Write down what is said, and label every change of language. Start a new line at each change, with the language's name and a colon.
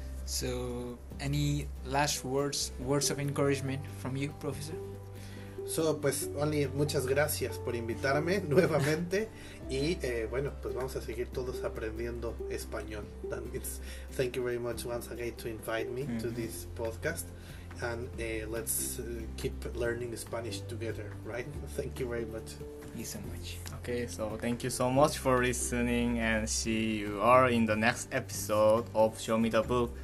English: So, any last words of encouragement from you, Professor?
Spanish: So, pues, only muchas gracias por invitarme nuevamente. Y bueno, pues vamos a seguir todos aprendiendo español.
English: That means thank you very much once again to invite me mm-hmm. to this podcast. And let's keep learning Spanish together, right? Thank you very much. Thank you so much. Okay, so thank you so much for listening, and see you all in the next episode of Show Me the Book.